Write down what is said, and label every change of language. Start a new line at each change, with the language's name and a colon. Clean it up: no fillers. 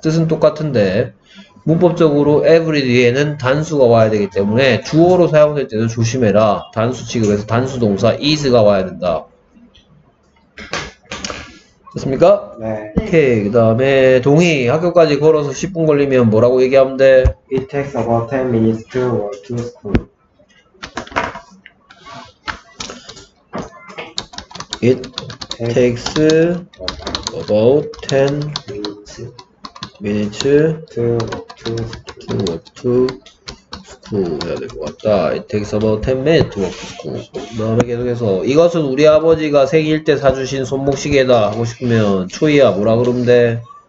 Korean: 뜻은 똑같은데 문법적으로 every 뒤에는 단수가 와야 되기 때문에 주어로 사용될 때는 조심해라. 단수 취급해서 단수 동사 is가 와야 된다. 됐습니까? 네. 오케이. 그 다음에 동희 학교까지 걸어서 10분 걸리면 뭐라고 얘기하면 돼?
English: It takes about 10 minutes to walk to school. It takes about 10 minutes to walk to school.
Korean: 해야 될 것 같다.
English: It takes about 10 minutes to walk to school.
Korean: 그 다음에 계속해서 이것은 우리 아버지가 생일 때 사주신 손목시계다 하고 싶으면 초이야 뭐라 그러면 돼?